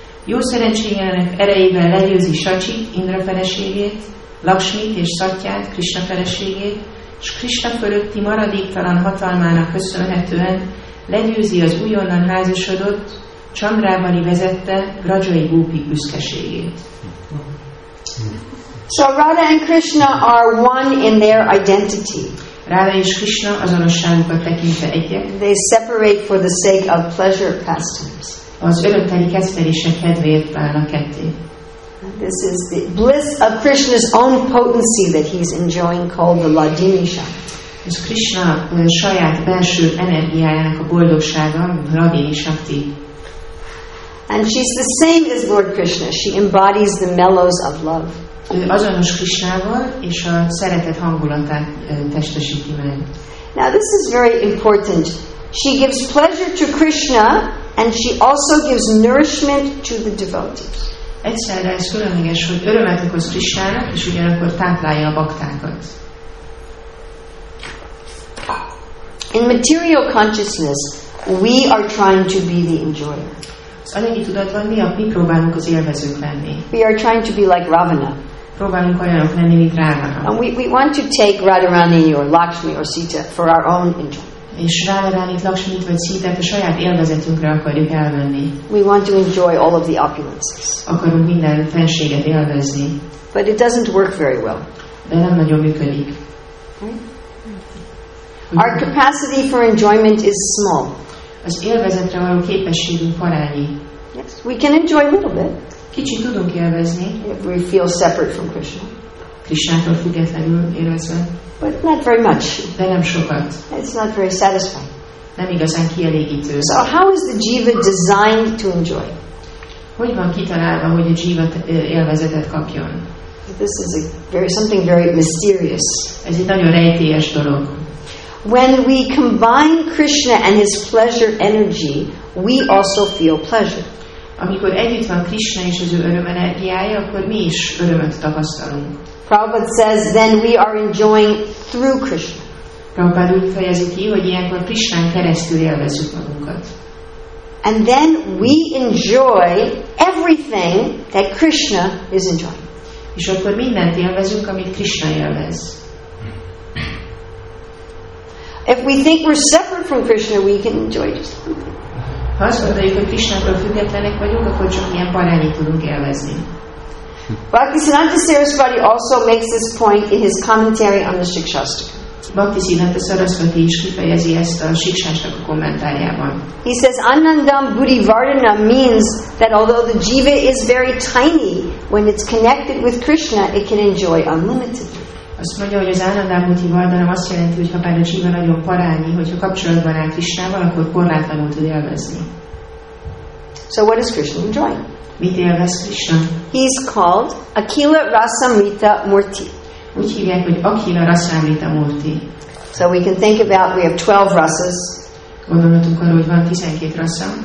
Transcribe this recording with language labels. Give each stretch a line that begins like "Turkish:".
Hungarian: Jó szerencséjének erejével legyőzi Sacsi, Indra feleségét, Lakshmit és Szatját, Krishna feleségét, s Krishna fölötti maradéktalan hatalmának köszönhetően legyőzi az újonnan házasodott, Chandravali vezette Rajai Gópi büszkeségét.
English: So Radha and Krishna are one in their identity.
Hungarian: Radha és Krishna azonosságukat tekintve egyek.
English: They separate for the sake of pleasure pastimes.
Hungarian: Az örömteli keszverések kedvéért válnak ketté.
English: This is the bliss of Krishna's own potency that he's enjoying called the Ladinisha.
Hungarian: Ez Krishna saját belső energiájának a boldogsága, Ladinisakti.
English: And she's the same as Lord Krishna. She embodies the mellows of love.
Hungarian: Azonos Krishnával és a szeretet hangulatát testesíti meg.
English: Now this is very important. She gives pleasure to Krishna and she also gives nourishment to the devotees.
Hungarian: Egyszerre ez különleges, hogy örömet okoz Krishnának és ugyanakkor táplálja a baktákat.
English: In material consciousness, we are trying to be the enjoyer.
Hungarian: Az anyagi tudatban mi próbálunk az élvezők lenni.
English: We are trying to be like Ravana.
Hungarian: Próbálunk olyanok lenni, mint Ravana.
English: And we want to take Radharani or Lakshmi or Sita for our own enjoyment.
Hungarian: És Radharanit, Lakshmit vagy Sitát a saját élvezetünkre akarjuk elvenni.
English: We want to enjoy all of the opulences.
Hungarian: Akarunk minden fenséget élvezni.
English: But it doesn't work very well.
Hungarian: De nem nagyon működik.
English: Our capacity for enjoyment is small.
Hungarian: Az élvezetre való képességünk parányi.
English: Yes, we can enjoy a little bit.
Hungarian: Kicsit tudunk élvezni.
English: If we feel separate from Krishna.
Hungarian: Krishnától függetlenül érezve.
English: But not very much.
Hungarian: De nem sokat.
English: It's not very satisfying.
Hungarian: Nem igazán kielégítő.
English: So how is the jiva designed to enjoy?
Hungarian: Hogy van kitalálva, hogy a jiva élvezetet kapjon?
English: This is a something very mysterious.
Hungarian: Ez egy nagyon rejtélyes dolog.
English: When we combine Krishna and his pleasure energy, we also feel pleasure.
Hungarian: Amikor együtt van Krishna és az ő öröm energiája, akkor mi is örömet tapasztalunk.
English: Prabhupada says, then we are enjoying through Krishna.
Hungarian: Prabhupada úgy fejezi ki, hogy ilyenkor Krishnán keresztül élvezzük magunkat.
English: And then we enjoy everything that Krishna is enjoying.
Hungarian: És akkor mindent élvezünk, amit Krishna élvez.
English: If we think we're separate from Krishna, we can enjoy just something.
Hungarian: Ha azt gondoljuk, hogy Krishnától függetlenek vagyunk, akkor csak ilyen parányi tudunk élvezni.
English: Bhaktisiddhanta Sarasvati also makes this point in his commentary on the Shikshastaka.
Hungarian: Bhaktisiddhanta Sarasvati is kifejezi ezt a Shikshastaka kommentárjában.
English: He says, Anandam Buddhivardhana means that although the jiva is very tiny, when it's connected with Krishna, it can enjoy unlimited.
Hungarian: Azt mondja, hogy az Anandam Buddhivardhana azt jelenti, hogy ha bár a jiva nagyon parányi, hogyha kapcsolatban áll Krishnával, akkor korlátlanul tud élvezni.
English: So what is Krishna enjoying?
Hungarian: Mit élvez Krishna?
English: He's called Akhila Rasamrita Murti.
Hungarian: Úgy hívják, hogy Akhila Rasamrita Murti.
English: So we can think about we have 12 rasas.
Hungarian: Gondolhatunk arra, hogy van 12 rasa.